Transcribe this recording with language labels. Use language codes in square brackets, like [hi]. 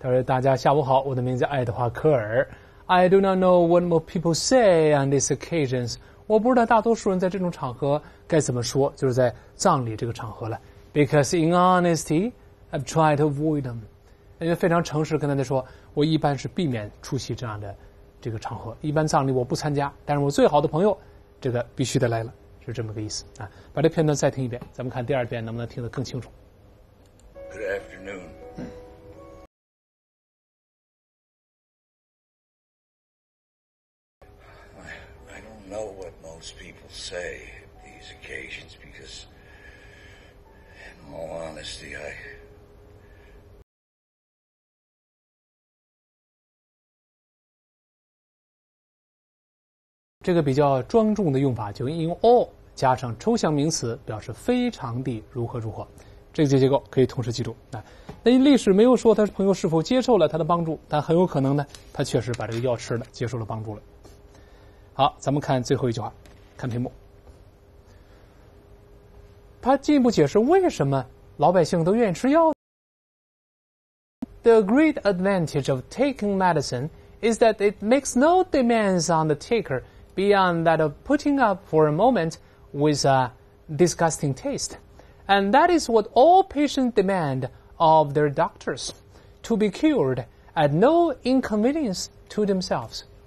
[zh] 他说：“大家下午好，我的名字爱德华·科尔。 [en] ”I do not know what most people say on these occasions。 [zh] 我不知道大多数人在这种场合该怎么说，就是在葬礼这个场合了。 [en] Because in honesty, I've tried to avoid them。 [zh] 因为非常诚实跟大家说，我一般是避免出席这样的这个场合。一般葬礼我不参加，但是我最好的朋友，这个必须得来了。是这么个意思啊！把这片段再听一遍，咱们看第二遍能不能听得更清楚。 [en] Good afternoon.、嗯、I don't know what most people say these occasions because, in all honesty, [zh] 这个比较庄重的用法就用 all。加上抽象名词表示非常地如何如何，这些结构可以同时记住。那历史没有说他朋友是否接受了他的帮助，但很有可能呢，他确实把这个药吃了，接受了帮助了。好，咱们看最后一句话，看屏幕。他进一步解释为什么老百姓都愿意吃药。 [en] The great advantage of taking medicine is that it makes no demands on the taker beyond that of putting up for a momentwith a disgusting taste. And that is what all patients demand of their doctors, to be cured at no inconvenience to themselves.